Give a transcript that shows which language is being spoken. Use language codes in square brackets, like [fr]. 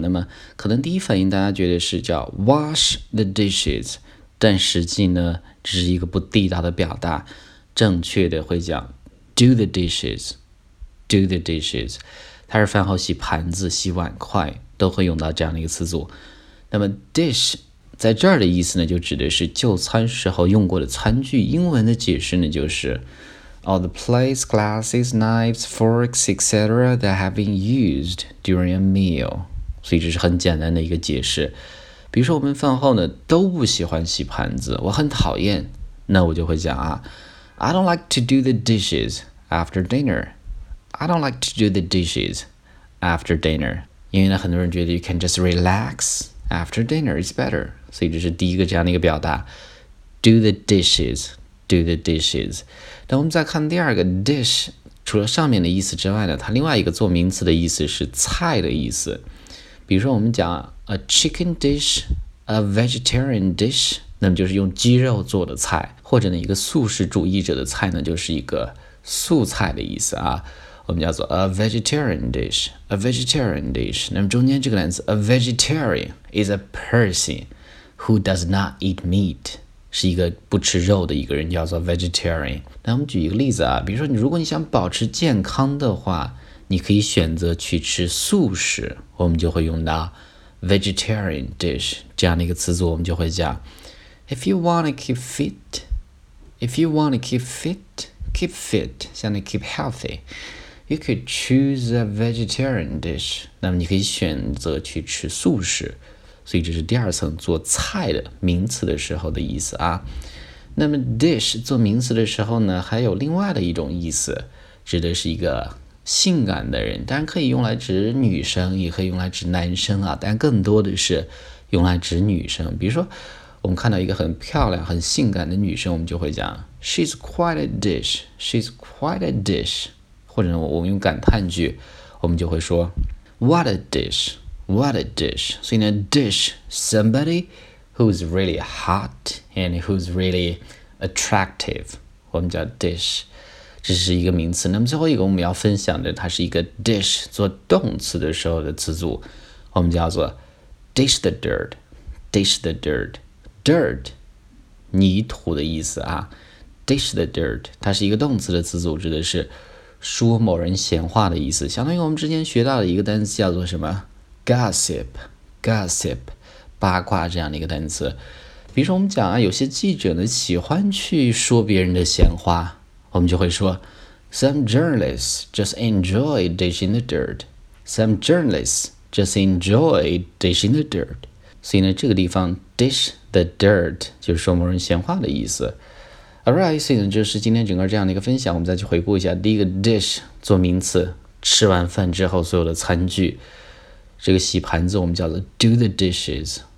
[zh] 那么可能第一反应大家觉得是叫 wash the dishes， 但实际呢，这是一个不地道的表达，正确的会讲 do the dishes， do the dishes， 它是饭后洗盘子、洗碗筷都会用到这样的一个词组。那么 dish 在这儿的意思呢，就指的是就餐时候用过的餐具。英文的解释呢，就是 [en] All the plates, glasses, knives, forks, etc. that have been used during a meal. [zh] 所以这是很简单的一个解释。比如说我们饭后呢都不喜欢洗盘子，我很讨厌，那我就会讲啊 [en] I don't like to do the dishes after dinner. I don't like to do the dishes after dinner. [zh] 因为呢很多人觉得 [en] you can just relax after dinner, it's better. [zh] 所以这是第一个这样的一个表达 Do the dishes. [en] Do the dishes. [zh] 那我们再看第二个 dish， 除了上面的意思之外呢，它另外一个做名词的意思是菜的意思。比如说我们讲 a chicken dish， a vegetarian dish， 那么就是用鸡肉做的菜，或者呢一个素食主义者的菜呢，就是一个素菜的意思啊。我们叫做 a vegetarian dish， a vegetarian dish。那么中间这个单词 [en] a vegetarian is a person who does not eat meat。 [zh] 是一个不吃肉的一个人叫做 vegetarian。那我们举一个例子啊，比如说你如果你想保持健康的话，你可以选择去吃素食，我们就会用到 vegetarian dish 这样的一个词组。 [en] 我们就会讲 If you want to keep fit If you want to keep fit Keep fit 像那 keep healthy You could choose a vegetarian dish。 [zh] 那么你可以选择去吃素食，所以这是第二层做菜的名词的时候的意思啊。那么 dish 做名词的时候呢，还有另外的一种意思，指的是一个性感的人，当然可以用来指女生，也可以用来指男生啊，但更多的是用来指女生。比如说我们看到一个很漂亮很性感的女生，我们就会讲 [en] She's quite a dish [zh] She's quite a dish， 或者我们用感叹句，我们就会说 [en] What a dishWhat a dish. So in a dish, somebody who's really hot and who's really attractive. [zh] 我们叫 dish. 这是一个名词。那么最后一个我们要分享的，它是一个 dish 做动词的时候的词组。我们叫做 [en] dish the dirt. Dish the dirt. [zh] Dirt, 泥土的意思啊。Dish the dirt, 它是一个动词的词组，指的是说某人闲话的意思。相当于我们之前学到的一个单词叫做什么？Gossip, gossip, 八卦这样的一个单词。比如说我们讲啊，有些记者呢喜欢去说别人的闲话，我们就会说 [en] Some journalists just enjoy dishing the dirt. Some journalists just enjoy dishing the dirt. [zh] 所以呢这个地方 dish the dirt 就是说某人闲话的意思。 Alright, 所以呢就是今天整个这样的一个分享，我们再去回顾一下。第一个 dish 做名词，吃完饭之后所有的餐具，这个洗盘子我们叫做 do the dishes。